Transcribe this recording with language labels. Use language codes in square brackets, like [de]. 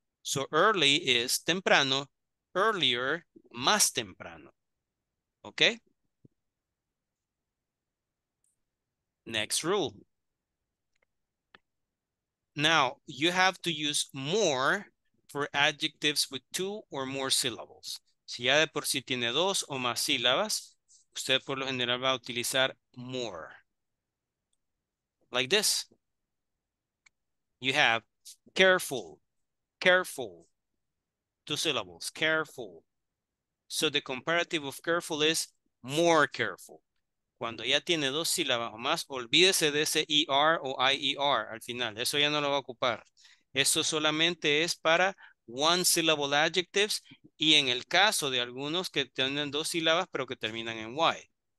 [en] So early is temprano. Earlier, [es] más temprano. [en] Okay? Next rule. Now, you have to use more for adjectives with two or more syllables. [es] Si ya de por sí tiene dos o más sílabas, usted por lo general va a utilizar more. [en] Like this. You have careful, careful. Two syllables, careful. So the comparative of careful is more careful. [es] Cuando ya tiene dos sílabas o más, olvídese de ese ER o IER al final. Eso ya no lo va a ocupar. Eso solamente es para [en] one syllable adjectives [es] y en el caso de algunos que tienen dos sílabas pero que terminan en Y.